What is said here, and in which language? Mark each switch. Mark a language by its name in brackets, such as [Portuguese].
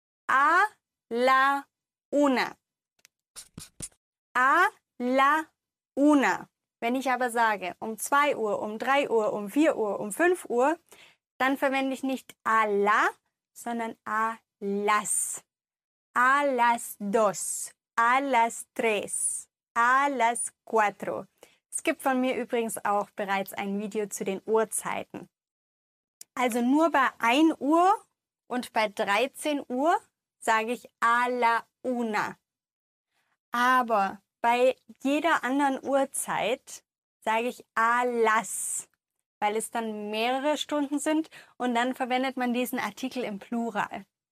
[Spanish] A la una. A la una. [German] Wenn ich aber sage, um 2 Uhr, um 3 Uhr, um 4 Uhr, um 5 Uhr, dann verwende ich nicht [Spanish] a la, [German] sondern [Spanish] a las. A las dos, a las tres, a las cuatro. [German] Es gibt von mir übrigens auch bereits ein Video zu den Uhrzeiten. Also nur bei 1 Uhr und bei 13 Uhr sage ich [Spanish] a la una. [German] Aber bei jeder anderen Uhrzeit sage ich [Spanish] a las, [German] weil es dann mehrere Stunden sind und dann verwendet man diesen Artikel im Plural.